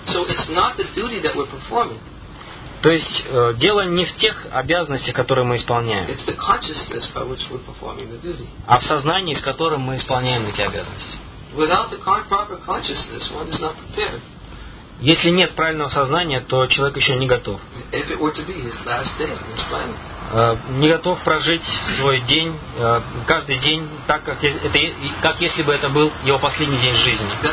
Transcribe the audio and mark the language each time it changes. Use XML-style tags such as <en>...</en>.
<en>So it's not the duty that we're performing.</en> <ru>То есть дело не в тех обязанностях, которые мы исполняем,</ru> <en>it's the consciousness by which we're performing the duty.</en> <ru>А в сознании, с которым мы исполняем эти обязанности.</ru> <en>Without the proper consciousness, one is not prepared.</en> <ru>Если нет правильного сознания, то человек еще не готов.</ru> <en>If it were to be his last day on this planet.</en> <ru>Не готов прожить свой день, каждый день, так как это, как если бы это был его последний день жизни.</ru>